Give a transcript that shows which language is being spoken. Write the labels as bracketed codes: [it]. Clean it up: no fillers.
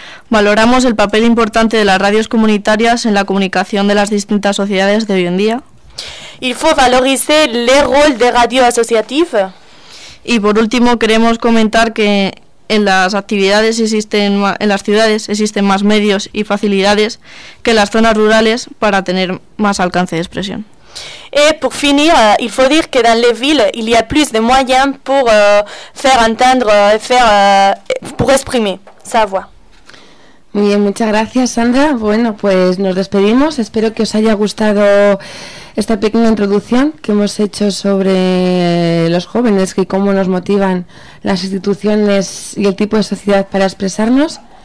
[es] Valoramos el papel importante de las radios comunitarias en la comunicación de las distintas sociedades de hoy en día. [fr] Il faut valoriser le rôle des radios associatives. [es] Y por último, queremos comentar que en las actividades existen en las ciudades existen más medios y facilidades que en las zonas rurales para tener más alcance de expresión. [fr] Et pour finir, il faut dire que dans les villes, il y a plus de moyens pour faire entendre et faire pour exprimer sa voix. [es] Muy bien, muchas gracias, Sandra. Bueno, pues nos despedimos. Espero que os haya gustado esta pequeña introducción que hemos hecho sobre los jóvenes y cómo nos motivan las instituciones y el tipo de sociedad para expresarnos.